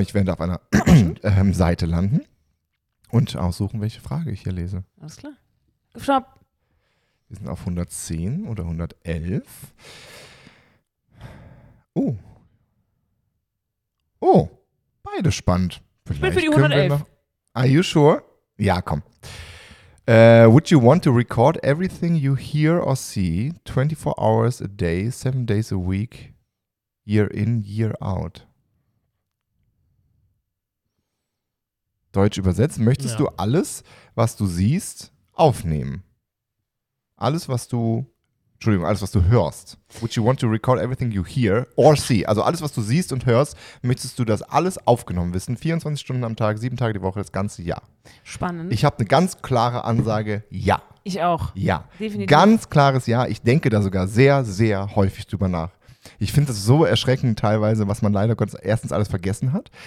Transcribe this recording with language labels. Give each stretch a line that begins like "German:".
German: Ich werde auf einer Seite landen und aussuchen, welche Frage ich hier lese. Alles klar. Stopp. Wir sind auf 110 oder 111. Oh, beide spannend. Vielleicht ich bin für die 111.
English: Are you sure?
German: Ja, komm.
English: Would you want to record everything you hear or see 24 hours a day, 7 days a week, year in, year out?
German: Deutsch übersetzen, möchtest du alles, was du siehst, aufnehmen? Alles, was du, Entschuldigung, alles, was du hörst.
English: Would you want to record everything you hear or see?
German: Also alles, was du siehst und hörst, möchtest du das alles aufgenommen wissen? 24 Stunden am Tag, 7 Tage die Woche, das ganze Jahr. Spannend. Ich habe eine ganz klare Ansage, ja. Ich auch. Ja. Definitiv. Ganz klares Ja. Ich denke da sogar sehr, sehr häufig drüber nach. Ich finde das so erschreckend teilweise, was man leider Gottes erstens alles vergessen hat.